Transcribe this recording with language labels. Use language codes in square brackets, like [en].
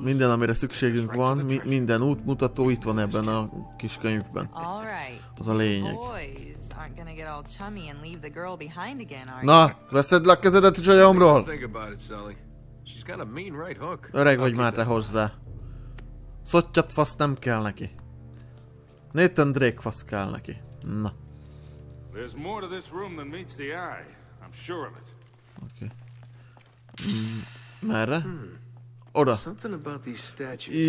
[hu] Minden, amire szükségünk van, minden útmutató itt van ebben a kis könyvben. Az a lényeg. [en] Aren't gonna get all chummy and leave the girl behind again, are you? [hu] Na, veszed le a kezedet a csajomról! [en] Think about it, Sully. She's got a mean right hook. [hu] Öreg vagy már te hozzá. Szottyat fasz nem kell neki. Nathan Drake fasz kell neki. Na. [en] There's more to this room than meets the eye. I'm sure of it. [hu] Okay. Merre? Oda. [en] Something about these statues.